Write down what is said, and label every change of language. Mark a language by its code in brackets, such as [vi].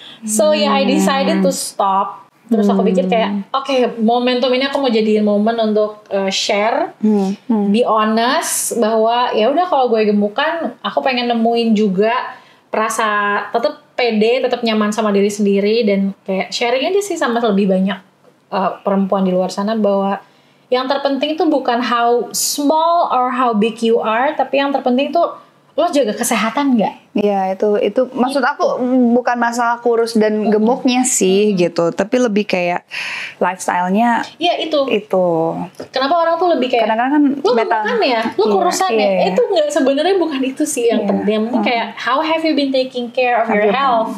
[en] So yeah, I decided to stop. [id] Terus aku pikir kayak, okay, momentum ini aku mau jadiin momen untuk share, [en] be honest [id] bahwa ya udah kalau gue gemukan, aku pengen nemuin juga perasa tetap pede, tetap nyaman sama diri sendiri dan kayak sharing aja sih sama lebih banyak perempuan di luar sana bahwa yang terpenting itu bukan [en] how small or how big you are, [id] tapi yang terpenting tuh lo jaga kesehatan gak? Iya itu maksud aku bukan masalah kurus dan gemuknya sih gitu, tapi lebih kayak lifestyle-nya. Iya itu. Itu. Kenapa orang tuh lebih kayak? Kadang-kadang kan lo gemukan ya, lo kurusan ya. Itu nggak sebenarnya bukan itu sih yang penting. Yang penting kayak [en] how have you been taking care of your health?